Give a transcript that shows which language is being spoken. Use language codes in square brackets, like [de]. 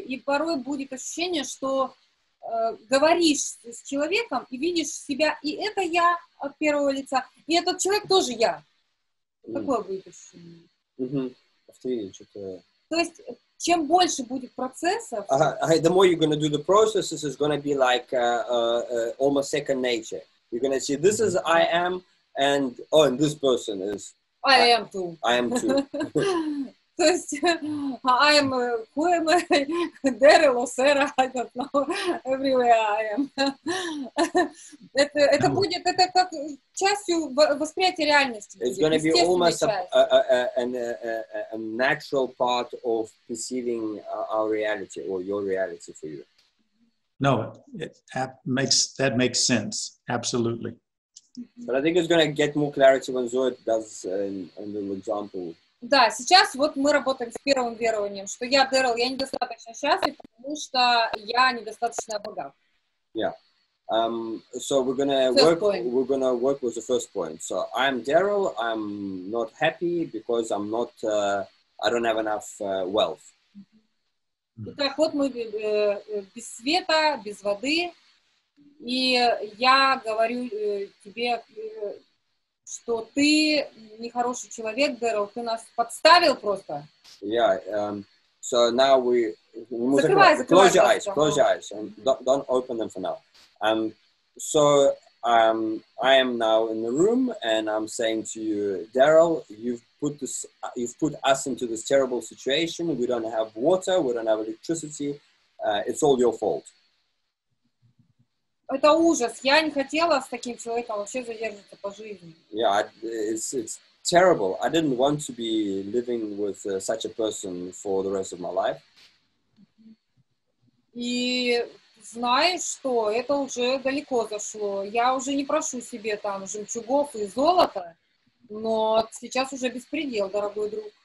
[ru] И порой будет ощущение, что говоришь с человеком и видишь себя, и это я от первого лица, и этот человек тоже я. Такое будет ощущение. То есть, чем больше будет процессов... [en] The more you're going to do the processes, it's going to be like almost second nature. You're going to see, this is I am, and, oh, and this person is... I am too. [ru] То есть, [en] I am, who am I? Daryl or Sarah, I don't know. Everywhere I am. [ru] Это будет, это как... частью восприятия реальности. [en] It's going to be almost a natural part of perceiving our reality or your reality for you. No, that makes sense. Absolutely. But I think it's going to get more clarity when Zoe does a little example. [ru] Да, сейчас вот мы работаем с первым верованием, что я, Дэрил, я недостаточно счастлив, потому что я недостаточно богат. [en] Yeah. So we're gonna work with the first point. So I'm Daryl. I'm not happy because I'm not. I don't have enough wealth. [ru] Итак, вот мы без света, без воды, и я говорю тебе, что ты нехороший человек, Дэрил. Ты нас подставил просто. [en] Yeah. So now we [ru] закрывай, закрывай, [en] close your [ru] просто. [en] Eyes. Close your eyes and don't open them for now. So I am now in the room and I'm saying to you, Daryl, you've put us into this terrible situation. We don't have water, we don't have electricity. It's all your fault. [ru] Это ужас. Я не хотела с таким человеком вообще задерживаться по жизни. [en] Yeah, it's terrible. I didn't want to be living with such a person for the rest of my life. [ru] Знаешь что, это уже далеко зашло. Я уже не прошу себе там жемчугов и золота, но сейчас уже беспредел, дорогой друг.